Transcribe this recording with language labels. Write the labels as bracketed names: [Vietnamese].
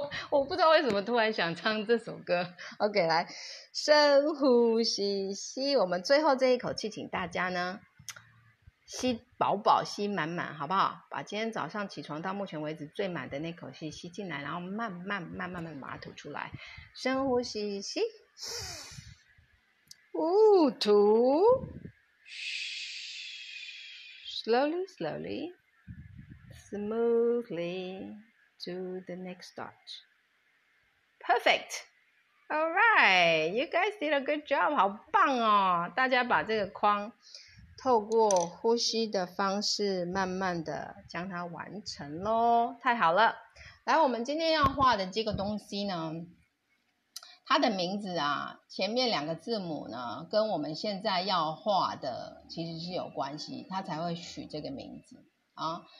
[Chinese] 我不知道为什么突然想唱这首歌。OK， 来，深呼吸，吸，我们最后这一口气，请大家呢吸饱饱，吸满满，好不好？把今天早上起床到目前为止最满的那口气吸进来，然后慢慢慢慢慢把它吐出来，深呼吸，吸，呜，吐，嘘。 [English] Slowly, slowly, smoothly to the next dot. Perfect. All right, you guys did a good job. [Chinese] 好棒哦！大家把这个框透过呼吸的方式，慢慢的将它完成咯，太好了！来，我们今天要画的这个东西呢，它的名字啊，前面两个字母呢，跟我们现在要画的其实是有关系，它才会取这个名字啊。